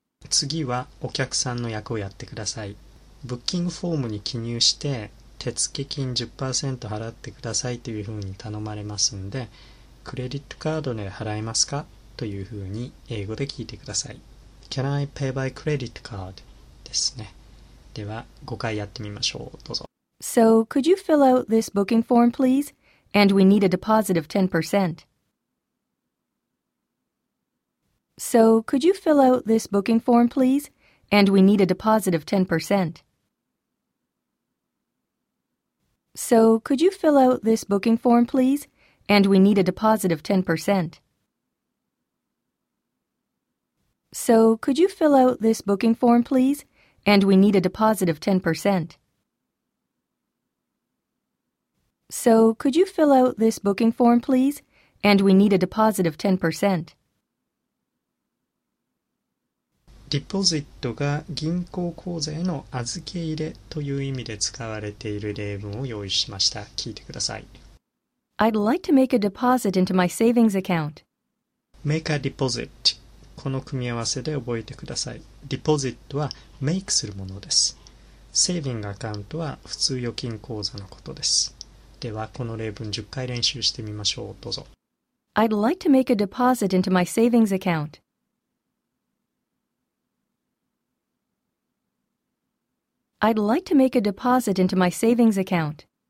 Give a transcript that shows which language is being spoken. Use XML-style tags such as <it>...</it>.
<ja>次はお客さんの役をやってください。ブッキングフォームに記入して手付金 10% 払ってくださいというふうに頼まれますんで、クレジットカードで払えますかというふうに英語で聞いてください。</ja> <en>Can I pay by credit card?</en> <ja>ですね。では5回やってみましょう。どうぞ。</ja> <en>So could you fill out this booking form please? And we need a deposit of 10%. So could you fill out this booking form please? And we need a deposit of 10%. So could you fill out this booking form please? And we need a deposit of 10%. So could you fill out this booking form please? And we need a deposit of 10%. So could you fill out this booking form please? And we need a deposit of 10%.</en> <ja>Deposit が銀行口座への預け入れという意味で使われている例文を用意しました。聞いてください。</ja> <en>I'd like to make a deposit into my savings account. Make a deposit.</en> <ja>この組み合わせで覚えてください。Deposit は make するものです。 Saving account は普通預金口座のことです。ではこの例文10回練習してみましょう。どうぞ。</ja> <en>I'd like to make a deposit into my savings account. I'd like to make a deposit into my savings account.</en>